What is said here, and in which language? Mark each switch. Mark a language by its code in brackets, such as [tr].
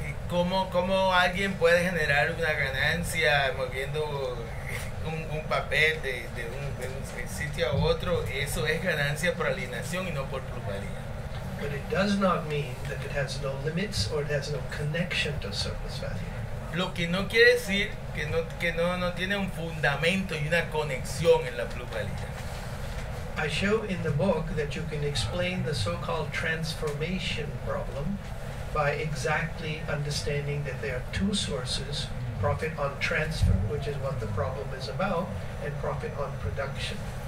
[es] ¿Cómo alguien puede generar una ganancia moviendo un papel de un sitio a otro? Eso es ganancia por alienación y no por plusvalía. [en] But it does not mean that it has no limits or it has no connection to surplus value. [es] Lo que no quiere decir que no tiene un fundamento y una conexión en la plusvalía. [en] I show in the book that you can explain the so-called transformation problem by exactly understanding that there are two sources, profit on transfer, which is what the problem is about, and profit on production.